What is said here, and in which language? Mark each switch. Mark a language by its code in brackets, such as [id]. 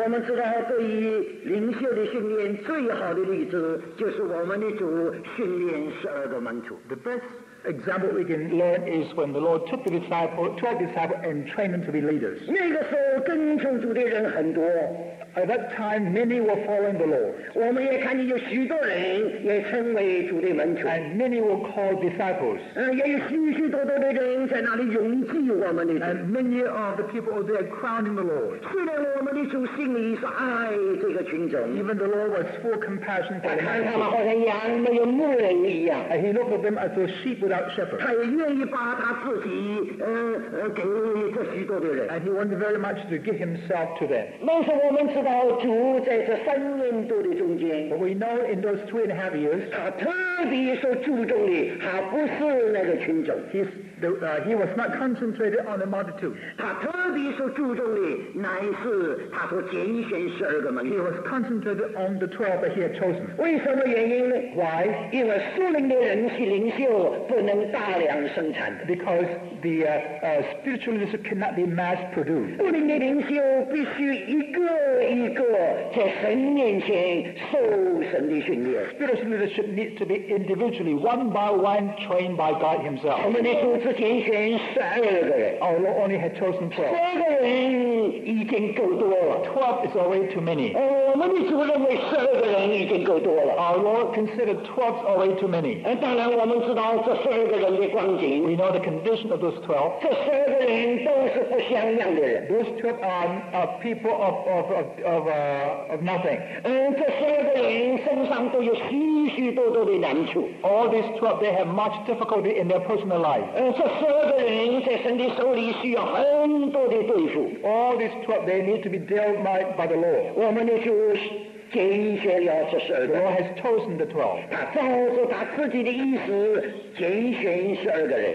[zh] 我们知道，对于灵修的训练，最好的例子就是我们的主训练十二个门徒。 [en] The best example we can learn is when the Lord took the disciples, 12 disciples, and trained them to be leaders. [zh] 那个时候，跟从主的人很多。 [en] At that time, many were following the Lord. [zh] 我们也看见有许多人也成为主的门徒。 [en] And many were called disciples. [zh] 也有许许多多的人在那里拥挤我们的主。 [en] And many of the people there crowning the Lord. [zh] 虽然我们的主心里是爱这个群众。 [en] Even the Lord was full compassion for them. [zh] 看他们好像羊没有牧人一样。 [en] And he looked at them as a sheep without shepherd. [zh] 他也愿意把他自己给这许多的人。 [en] And he wanted very much to give himself to them. [zh] 那时我们到主在这三年多的中间 [en] But we know in those 2.5 years [zh] 他特别所注重的他不是那个群众 [en] he was not concentrated on the multitude [zh] 他特别所注重的乃是他所拣选十二个门徒 [en] he was concentrated on the 12 that he had chosen [zh] 为什么原因呢 [en] why [zh] 因为属灵的人是领袖不能大量生产的 [en] becausethe spiritual leadership cannot be mass produced. [zh] 属灵的领袖必须一个一个在神面前受神的训练。 [en] Spiritual leadership needs to be individually, one by one, trained by God himself. [zh] 我们的主只拣选十二个人。 [en] Our Lord only had chosen 12. [zh] 十二个人已经够多了。 [en] 12 is already too many. [zh] 我们的主认为十二个人已经够多了。 [en] Our Lord considered 12 is already too many. [zh] 当然我们知道这十二个人的光景。 [en] We know the condition of Those 12. Those 12 are people of nothing. [zh] 这十二个人身上都有许许多多的难处。 [en] All these 12, they have much difficulty in their personal life. [zh] 这十二个人在神的手里需要很多的对付。 [en] All these 12, they need to be dealt by the Lord. [zh] 我们的主拣选了这十二个人。 [en] The Lord has chosen the 12. [zh] 他照着他自己的意思拣选十二个人。